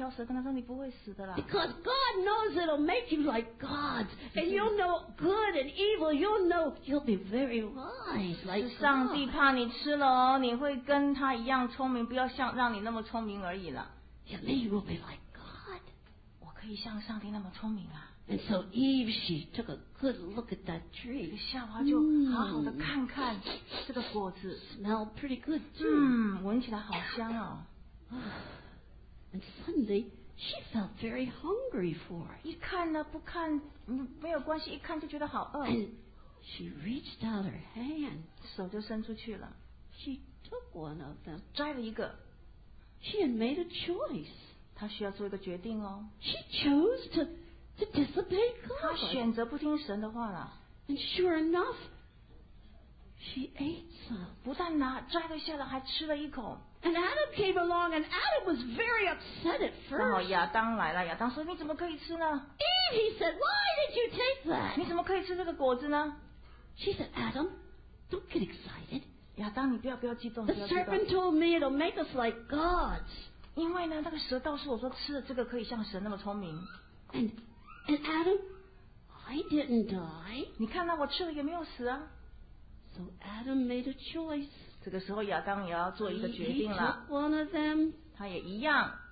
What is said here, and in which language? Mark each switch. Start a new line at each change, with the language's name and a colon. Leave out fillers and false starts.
Chinese: 魔鬼就跟他说你不会死的啦，那条蛇跟他说你不会死的啦。
English: Because God knows it'll make you like gods, and you'll know good and evil. You'll know you'll be very wise like God.
Chinese: 是上帝怕你吃了哦，你会跟他一样聪明，不要像让你那么聪明而已了。
English: And then you will be like God.
Chinese: 我可以像上帝那么聪明啊。
English: And so Eve, she took a good look at that tree.
Chinese: 夏娃就好好的看看这个果子。
English: Smelled pretty good too.
Chinese: 闻起来好香哦。And
English: suddenly, she felt very hungry for it.
Chinese: 一看呢，不看，没有关系，一看就觉得好饿。
English: And She reached out her hand.
Chinese: 手就伸出去了。
English: She took one of them.
Chinese: 摘了一个。
English: She had made a choice.
Chinese: 她需要做一个决定哦。
English: She chose to disobey God.
Chinese: 她选择不听神的话了。
English: And sure enough, she ate some.
Chinese: 不但拿摘了下来，还吃了一口。
English: And Adam came along, and Adam was very upset at first.
Chinese: 然后亚当来了，亚当说：“你怎么可以吃呢？”
English: Eve, he said, "Why did you take that?"
Chinese: 你怎么可以吃这个果子呢？
English: She said, "Adam, don't get excited."
Chinese: 亚当，你不要激动。
English: The serpent told me it'll make us like gods.
Chinese: 因为呢，那个蛇告诉我说，吃了这个可以像神那么聪明。
English: And Adam, I didn't die.
Chinese: 你看到我吃了也没有死啊。
English: So Adam made a choice.
Chinese: 这个时候亚当也要做一个决定了
English: them,
Chinese: 他也一样